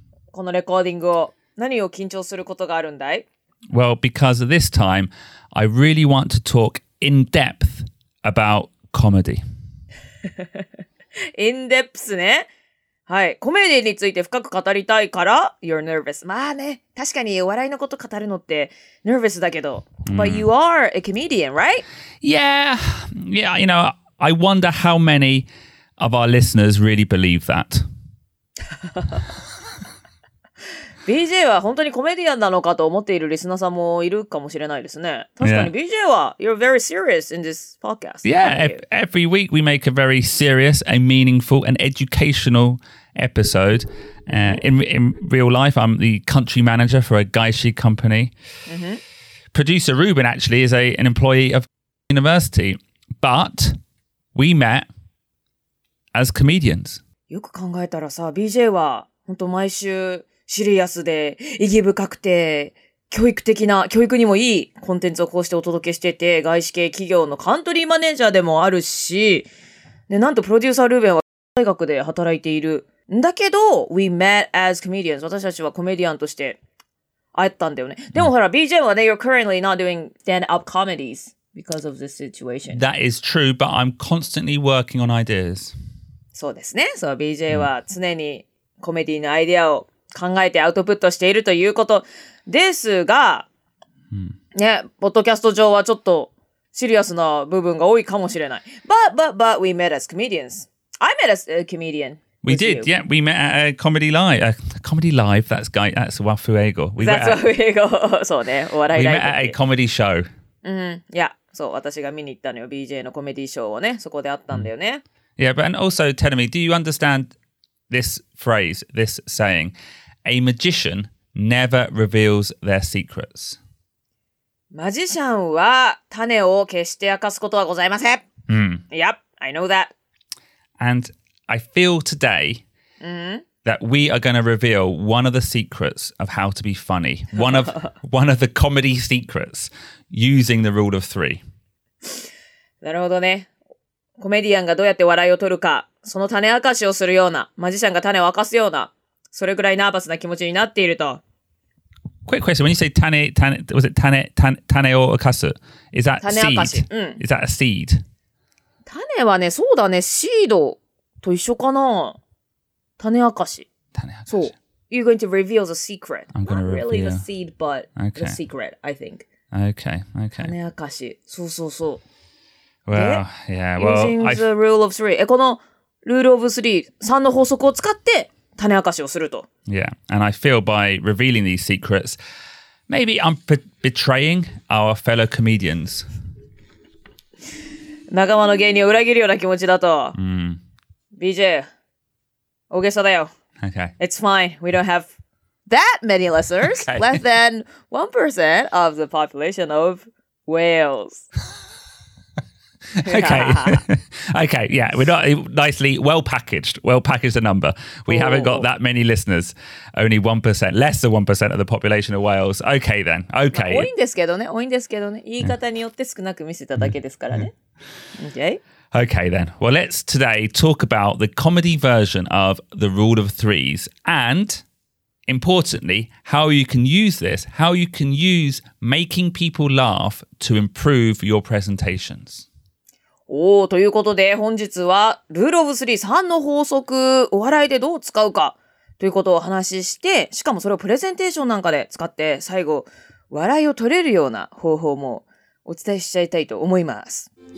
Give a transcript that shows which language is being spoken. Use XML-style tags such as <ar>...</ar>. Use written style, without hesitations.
<ja>このレコーディングを何を緊張することがあるんだい?</ja> <en>Well, because of this time, I really want to talk in depth about comedy. In depth</en> <ja>ね。はい、コメディについて深く語りたいから</ja> <en>You're nervous.</en> <ja>まあね、確かに笑いのこと語るのって nervous だけど、</ja> <en>But you are a comedian, right? Yeah, yeah, you knowI wonder how many of our listeners really believe that.</en> <ja>BJ は本当にコメディアンなのかと思っているリスナーさんもいるかもしれないですね。確かに BJ は、</ja> <en>yeah. You're very serious in this podcast. Yeah, every week we make a very serious, a meaningful, an educational episode. In real life, I'm the country manager for a gaishi company. Producer Ruben actually is an employee of university. But... We met as comedians.</en> <ja>よく考えたらさ、BJ は本当毎週シリアスで意義深くて教育的な、教育にもいいコンテンツをこうしてお届けしてて、外資系企業のカントリーマネージャーでもあるし、で、なんとプロデューサールーベンは大学で働いているんだけど、</ja> <en>We met as comedians.</en> <ja>私たちはコメディアンとして会ったんだよね。でもほら、BJ はね、</ja> <en>You're currently not doing stand-up comedies. Because of this situation. That is true, but I'm constantly working on ideas.</en> <ja>そうですね。そう、BJ は常にコメディのアイデアを考えてアウトプットしているということですが、ね、ポッドキャスト上はちょっとシリアスな部分が多いかもしれない。</ja> <en>But we met as comedians. I met as a comedian. We did,、 you. Yeah. We met at a comedy live. That's guy. That's Wafu Ego. That's Wafu Ego.</en> <ja>そうね。お笑いライブ。</ja> <en>We met at a comedy show.</en> <ja>そう、私が見に行ったのよ。BJ のコメディショーをね、そこであったんだよね。</ja> <en>Yeah, but and also tell me, do you understand this phrase, this saying? A magician never reveals their secrets.</en> <ja>マジシャンは種を決して明かすことはございません。</ja> <en>Yep, I know that. And I feel today、that we are going to reveal one of the secrets of how to be funny. One of the comedy secrets. Using the rule of three.</en> <ja>なるほどね。コメディアンがどうやって笑いを取るか、その種明かしをするような、マジシャンが種を明かすような、それぐらいナーバスな気持ちになっていると。</ja> <en>Quick question. When you say</en> <ja>種を明かす?</ja> <en>Is that seed? Is that a seed?</en> <ja>種はね、そうだね。シードと一緒かな。種明かし。種明かし。</ja> <en>そう。You're going to reveal the secret. I'm going to reveal. Not really the seed, but the secret, I think. Okay.</en> <ja>種明かし。そうそうそう。</ja> <en>Well, yeah, well, using the rule of three.</en> <ja>このルールオブスリー、3の法則を使って種明かしをすると。</ja> <en>Yeah, and I feel by revealing these secrets, maybe I'm betraying our fellow comedians.</en> <ja>仲間の芸人を裏切るような気持ちだと。 BJ, 大げさだよ。</ja> <en>Okay. It's fine. We don't have... That many listeners,、 okay. less than 1% of the population of Wales. okay. okay, yeah, we're not nicely well packaged a number. We、haven't got that many listeners, only 1%, less than 1% of the population of Wales. Okay then, okay.</en> <ja>多いんですけどね、多いんですけどね。言い方によって少なく見せただけですからね。</ja> <en>Okay. Okay then, well let's today talk about the comedy version of the Rule of Threes andimportantly, how you can use this, how you can use making people laugh to improve your presentations.</en> <ja>おー、ということで本日はルールオブスリー3の法則、お笑いでどう使うかということをお話しして、しかもそれをプレゼンテーションなんかで使って最後、笑いを取れるような方法もお伝えしちゃいたいと思います。</ja>